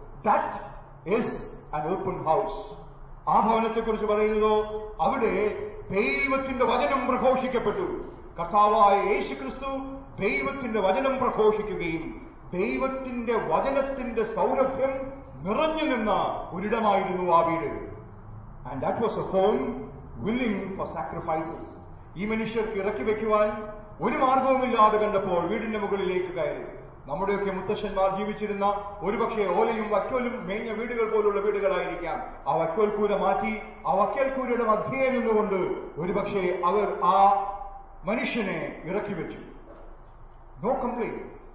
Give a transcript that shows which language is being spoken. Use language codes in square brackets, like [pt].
[en] That is an open house. [ml] ആ ഭവനത്തെക്കുറിച്ച് പറയുന്നതോ, അവിടെ ദൈവത്തിന്റെ വചനം പ്രഘോഷിക്കപ്പെട്ടു. കർത്താവായ യേശു ക്രിസ്തു ദൈവത്തിന്റെ വചനം പ്രഘോഷിക്കുകയും ദൈവത്തിന്റെ വചനത്തിന്റെ സൗരഭ്യം നിറഞ്ഞു നിന്ന ഒരിടമായിരുന്നു ആ വീട്. [en] And that was a home willing for sacrifices. [ml] ഈ മനുഷ്യർക്ക് ഇറക്കി വെക്കുവാൻ ഒരു മാർഗവുമില്ലാതെ കണ്ടപ്പോൾ വീടിന്റെ മുകളിലേക്ക് കയറി. നമ്മുടെയൊക്കെ മുത്തശ്ശന്മാർ ജീവിച്ചിരുന്ന ഒരുപക്ഷെ ഓലയും വക്കോലും മേഞ്ഞ വീടുകൾ പോലുള്ള വീടുകളായിരിക്കാം. ആ വക്കോൽക്കൂര മാറ്റി ആ വക്കേൽക്കൂരയുടെ മധ്യയിൽ നിന്നുകൊണ്ട് ഒരുപക്ഷെ അവർ ആ മനുഷ്യനെ ഇറക്കി വെച്ചു. [en] No complaints.